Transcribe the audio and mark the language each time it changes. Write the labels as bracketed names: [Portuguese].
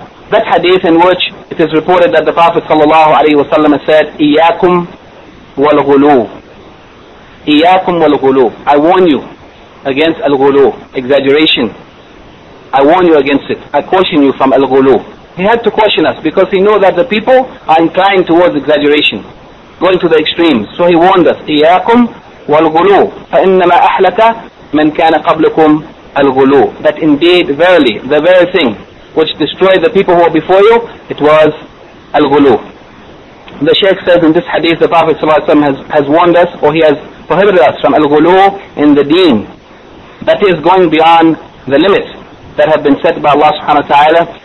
[English] That hadith in which it is reported that the Prophet sallallahu alaihi wasallam said, [Arabic] "Iyakum wal ghulu, iyakum wal ghulu. [English] I warn you against al-ghulu, exaggeration. I warn you against it. I caution you from al-ghulu." He had to caution us because he knew that the people are inclined towards exaggeration, going to the extremes. So he warned us, [Arabic] إِيَّاكُمْ وَالْغُلُوُ فَإِنَّمَا أَحْلَكَ مَنْ كَانَ قَبْلُكُمْ الْغُلُوُ. [English] That indeed, verily, the very thing which destroyed the people who were before you, it was al-ghulu. The Shaykh says in this hadith, the Prophet ﷺ has warned us, or he has prohibited us from al-ghulu in the deen. That is going beyond the limits that have been set by Allah subhanahu wa ta'ala.